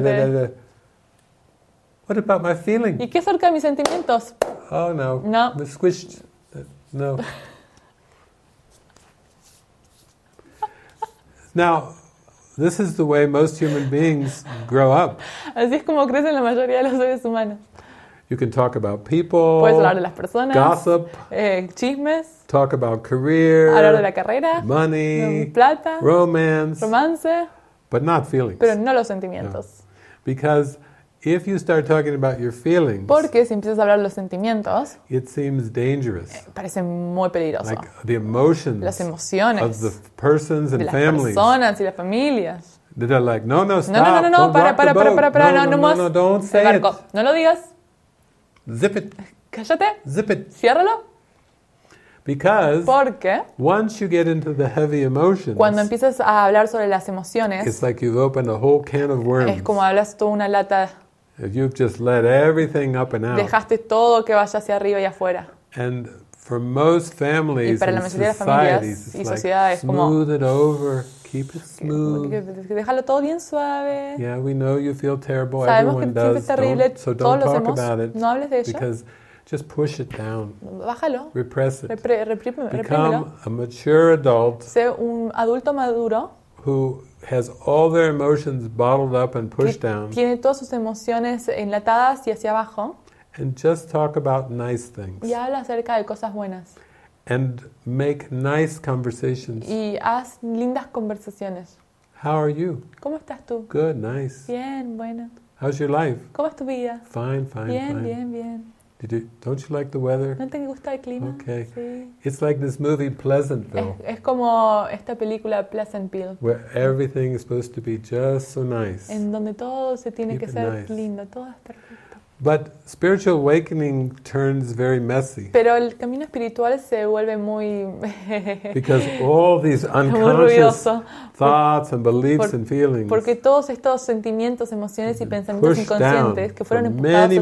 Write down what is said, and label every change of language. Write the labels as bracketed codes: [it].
[en] Da-da-da-da. What about my feeling? [es] ¿Y qué acerca de mis sentimientos? [en] Oh no. No. Me squished. No. Now, this is the way most human beings grow up. [es] Así es como crecen la mayoría de los seres humanos. [en] You can talk about people. [es] Puedes hablar de las personas. [en] Gossip. [es] Chismes. [en] Talk about career. [es] Hablar de la carrera. [en] Money. [es] Plata. [en] Romance. [es] Romance. [en] But not feelings. [es] Pero no los sentimientos. No. [en] Because if you start talking about your feelings, [es] porque si empiezas a hablar de los sentimientos, [en] it seems dangerous. [es] Parece muy peligroso. [en] Like the emotions. [es] Las emociones. [en] Of the persons and [es] de las [en] families. [es] Personas y las familias. [en] They're like, no, no, stop. [es] No, para. No, [en] don't say it. [es] No lo digas. [en] Zip it. [es] Cállate. [en] Zip it. [es] Ciérralo. [en] Because [es] porque [en] once you get into the heavy emotions, [es] cuando empiezas a hablar sobre las emociones, [en] it's like you've opened a whole can of worms. [es] Es como hablas toda una lata. [en] If you've just let everything up and out. [es] Dejaste todo que vaya hacia arriba y afuera. [en] And for most families, [es] y para la mayoría de familias y sociedades, [en] like, smooth it over. Keep it smooth. [es] Déjalo todo bien suave. [en] Yeah, we know you feel terrible. [es] Sabemos [en] everyone does. [es] Terrible. [en] Don't, so don't [es] todos [en] talk about it. [es] No hables de ello. [en] Because just push it down. [es] Bájalo. [en] Repress it. [es] Reprímelo. [en] Become a mature adult. [es] Sé un adulto maduro. [en] Who has all their emotions bottled up and pushed down. [es] Tiene todas sus emociones enlatadas y hacia abajo. [en] And just talk about nice things. [es] Y habla acerca de cosas buenas. [en] And make nice conversations. [es] Y haz lindas conversaciones. [en] How are you? [es] ¿Cómo estás tú? [en] Good, nice. [es] Bien, bueno. [en] How's your life? [es] ¿Cómo es tu vida? [en] Fine. [es] Bien. [en] Don't you like the weather? [es] ¿No te gusta el clima? [en] Okay. [es] Sí. [en] It's like this movie Pleasant, though. [es] Es como esta película Pleasantville. [en] Where everything is supposed to be just so nice. [es] En donde todo se tiene [en] Keep [es] que ser [en] nice. [es] Lindo. Todo es perfecto. [en] But spiritual awakening turns very messy. [es] Pero el camino espiritual se vuelve muy [en] because all these unconscious thoughts and beliefs and feelings. [es] Porque todos estos sentimientos, emociones y pensamientos inconscientes que fueron empujados